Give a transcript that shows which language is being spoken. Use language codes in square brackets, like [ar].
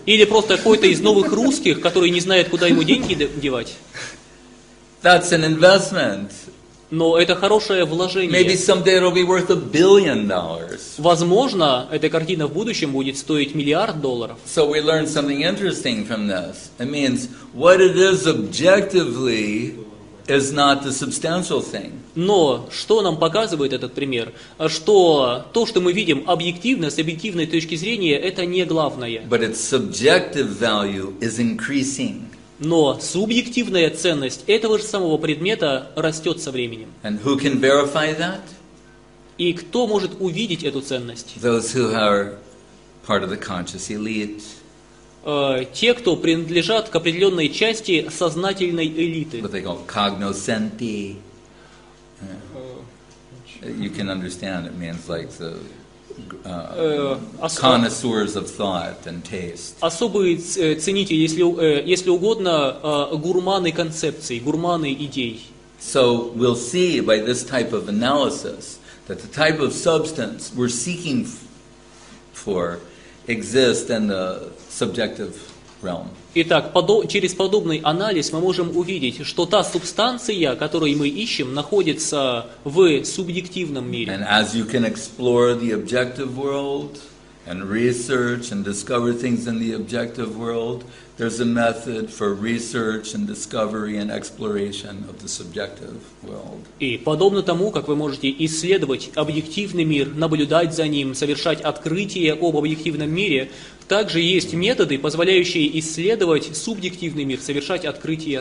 [ru] Или просто какой-то из новых русских, который не знает, куда ему деньги девать? [en] That's an investment. [ru] Но это хорошее вложение. [en] Maybe someday it'll be worth $1 billion. [ru] Возможно, эта картина в будущем будет стоить миллиард долларов. [en] So we learn something interesting from this. It means what it is objectively is not the substantial thing. [ru] Но что нам показывает этот пример? Что то, что мы видим объективно, с объективной точки зрения, это не главное. [en] But its subjective value is increasing. [ru] Но субъективная ценность этого же самого предмета растет со временем. [en] And who can verify that? [ru] И кто может увидеть эту ценность? [en] Those who are part of the conscious elite. [ru] Те, кто принадлежат к определенной части сознательной элиты. [en] What they call cognoscenti. You can understand it means like the connoisseurs of thought and taste. [ru] Особые ценители, если угодно, гурманы концепций, гурманы идей. [en] So we'll see by this type of analysis that the type of substance we're seeking for exists in the subjective realm. [ru] Итак, через подобный анализ мы можем увидеть, что та субстанция, которую мы ищем, находится в субъективном мире. [en] And as you can explore the objective world and research and discover things in the objective world, there's a method for research and discovery and exploration of the subjective world. [ru] И подобно тому, как вы можете исследовать объективный мир, наблюдать за ним, совершать открытия об объективном мире, также есть методы, позволяющие исследовать субъективный мир, совершать открытия